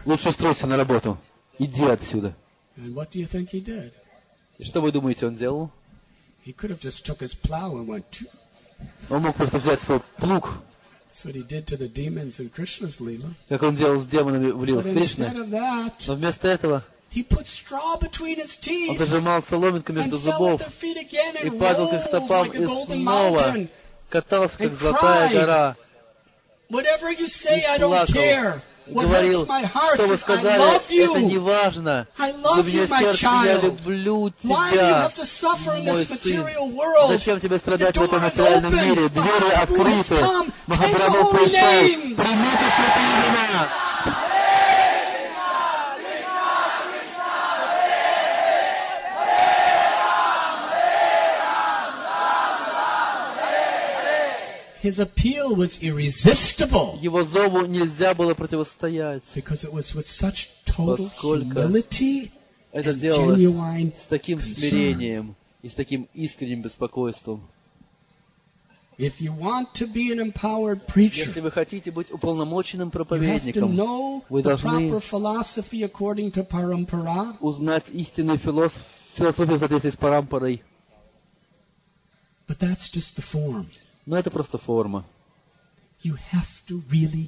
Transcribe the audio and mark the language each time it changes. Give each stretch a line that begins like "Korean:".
Russian: Лучше устройся на работу. Иди отсюда.
English: And what do you think he did?
Russian: И что вы думаете, он делал?
English: He could have just took his plow and went.
Russian: Он мог просто взять свой плуг.
English: That's what he did to the demons in Krishna's lila.
Russian: Как он делал с демонами в лилах Кришны. Но вместо этого он зажимал соломинку между зубов и падал как стопам и снова катался как золотая гора и плакал. Говорил, что вы сказали, это не важно. Для меня сердце, я люблю тебя, мой сын. Зачем тебе страдать в этом материальном мире? Двери открыты. Махапрабху пришел. Примите святые имена.
English: His appeal was irresistible.
Russian: Его зову нельзя было противостоять.
English: Because it was with such total humility and genuine
Russian: с таким смирением и с таким искренним беспокойством.
English: If you want to be an empowered preacher,
Russian: если вы хотите быть уполномоченным проповедником, вы должны
English: proper philosophy according to parampara.
Russian: Узнать истинную философию в соответствии с парампарой.
English: But that's just the form.
Russian: Но это просто форма.
English: You have to really